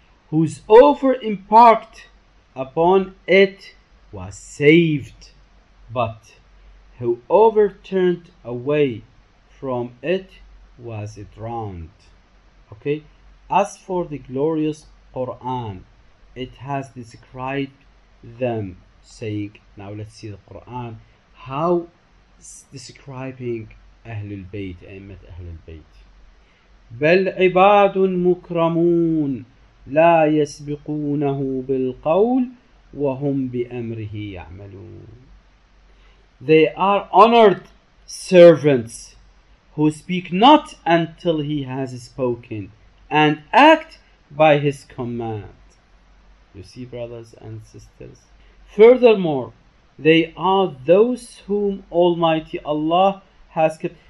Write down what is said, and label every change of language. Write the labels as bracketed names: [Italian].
[English] Whose over impact upon it was saved, but whoever turned away from it was drowned. Okay, as for the glorious Quran, it has described them, saying, now let's see the Quran, how describing Ahlul Bayt, Aimat Ahlul Bayt. [Arabic] بل عباد مكرمون لا يسبقونه بالقول وهم بأمره يعملون. [English] They are honored servants who speak not until he has spoken and act by his command. You see, brothers and sisters. Furthermore, they are those whom Almighty Allah has kept.